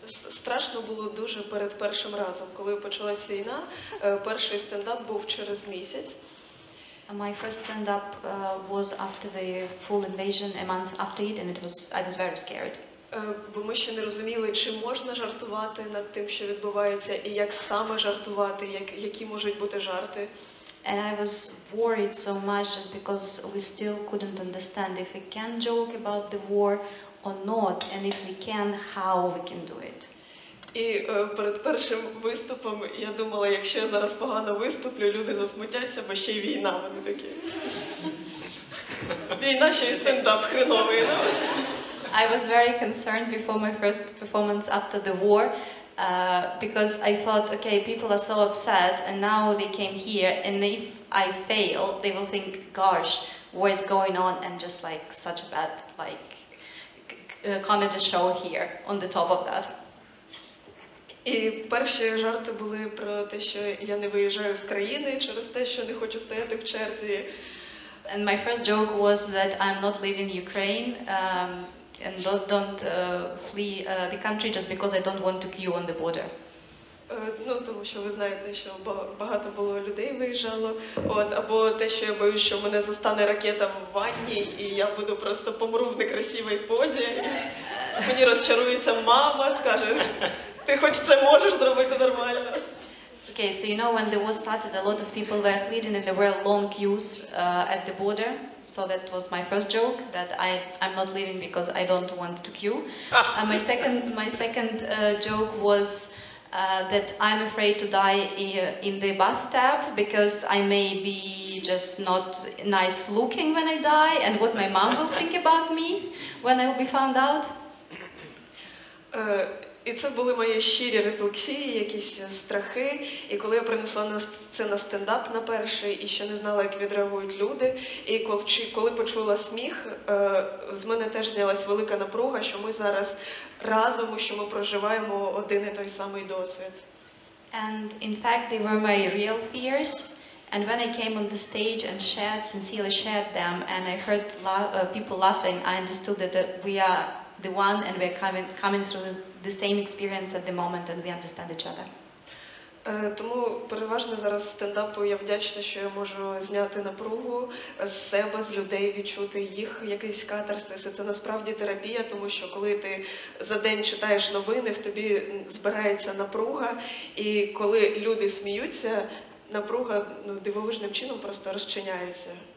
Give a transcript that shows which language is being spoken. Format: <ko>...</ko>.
<uk>Страшно було дуже перед першим разом, коли почалась війна. Перший стендап був через місяць.</uk> <en>My first stand-up was after the full invasion, a month after it, and I was very scared.</en> <uk>Бо ми ще не розуміли, чи можна жартувати над тим, що відбувається, і як саме жартувати, які можуть бути жарти.</uk> <en>And I was worried so much just because we still couldn't understand if we can joke about the war or not, and if we can, how we can do it.</en> <uk>І перед першим виступом я думала, якщо я зараз погано виступлю, люди засмутяться, бо ще й війна, вони такі. Війна ще й стендап хреновий, да?</uk> <en>I was very concerned before my first performance after the war, because I thought, okay, people are so upset and now they came here, and if I fail, they will think, gosh, what is going on, and just like such a bad like comedy show here on the top of that.</en> <uk>І перші жарти були про те, що я не виїжджаю з країни через те, що не хочу стояти в черзі.</uk> <en>And my first joke was that I'm not leaving Ukraine and don't flee the country just because I don't want to queue on the border.</en> <uk>Ну, тому що ви знаєте, що багато було людей виїжджало, от, або те, що я боюсь, що мене застане ракета в ванні і я буду просто помру в некрасивій позі. Мені розчарується мама, скаже: "Ти хоч це можеш зробити нормально?"</uk> <en>Okay, so you know when the war started, a lot of people were fleeing and there were long queues at the border. So that was my first joke, that I'm not leaving because I don't want to queue. And my second joke was that I'm afraid to die in the bathtub because I may be just not nice looking when I die, and what my mom will think about me when I'll be found out.</en> <uk>І це були мої щирі рефлексії, якісь страхи. І коли я принесла це на стендап на перший і ще не знала, як відреагують люди, і коли почула сміх, з мене теж знялась велика напруга, що ми зараз разом, що ми проживаємо один і той самий досвід.</uk> <en>And in fact, they were my real fears. And when I came on the stage and sincerely shared them, and I heard people laughing, I understood that we are the one and we're coming through the same experience at the moment and we understand each other.</en> <uk>Тому переважно зараз стендапу я вдячна, що я можу зняти напругу з себе, з людей, відчути їх якийсь катарсис. Це насправді терапія, тому що коли ти за день читаєш новини, в тобі збирається напруга, і коли люди сміються, напруга дивовижним чином просто розчиняється.</uk>